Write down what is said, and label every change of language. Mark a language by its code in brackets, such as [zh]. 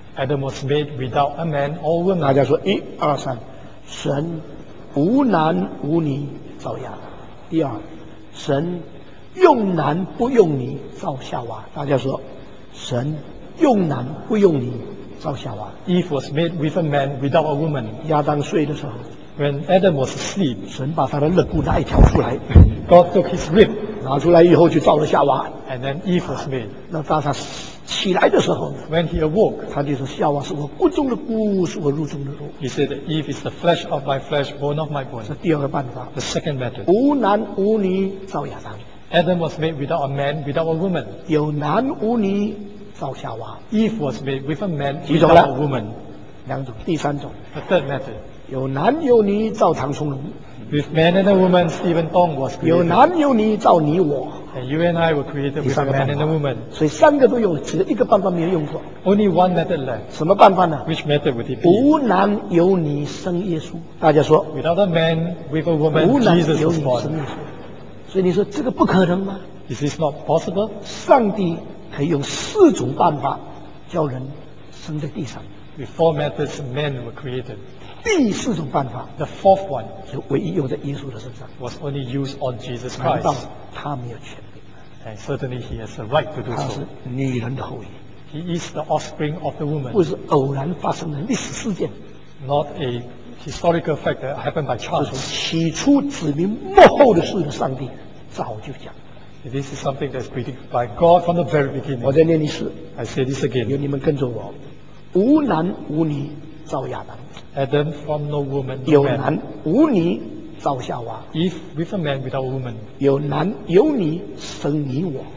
[en] Adam was made without a man or woman. [zh] 大家说一二三，神无男无女造亚当。第二，神用男不用女造夏娃。大家说，神用男不用女造夏娃。 [en] Eve was made with a man, without a woman. [zh] 亚当睡的时候。 [en] When Adam was asleep, [zh] 神把他的肋骨拿一条出来。 [en] God took his rib, [zh] 拿出来以后就造了夏娃。 [en] And then Eve was made. [zh] 那当他起来的时候。 [en] When he awoke, [zh] 他就说夏娃是我骨中的骨，是我肉中的肉。 [en] He said that Eve is the flesh of my flesh, bone of my bone. [zh] 这第二个办法。 [en] The second method. [zh] 无男无女造亚当。 [en] Adam was made without a man, without a woman. [zh] 有男无女造夏娃。 [en] Eve was made with a man, without a woman. [zh] 两种，第三种。 [en] The third method. [zh] 有男有女造唐松龙。 [en] With man and a woman, Stephen Tong was created. [zh] 有男有女造你我。 [en] And you and I were created with a man and a woman. [zh] 所以三个都有，只一个办法没有用过。 [en] Only one method left. [zh] 什么办法呢？ [en] Which method would it be? [zh] 无男有女生耶稣。大家说。 [en] Without a man, with a woman, Jesus was born. [zh] 所以你说这个不可能吗？ [en] Is this not possible? [zh] 上帝可以用四种办法叫人生在地上。 [en] With four methods, men were created. [zh] 第四种办法 [en] The fourth one [zh] 是唯一用在耶稣的身上。 [en] Was only used on Jesus Christ. [zh] 难道他没有权利？ [en] And certainly he has a right to do so. [zh] 他是女人的后裔。 [en] He is the offspring of the woman. [zh] 不是偶然发生的历史事件。 [en] Not a... historical fact that happened by chance. [zh] 起初指明幕后的事的上帝早就讲了。 [en] This is something that's predicted by God from the very beginning. [zh] 我再念一次。 [en] I say this again. [zh] 有你们跟着我。无男无女造亚当。 [en] Adam from no woman. [zh] 有男无女造夏娃。 [en] Eve with a man without a woman. [zh] 有男有女生你我。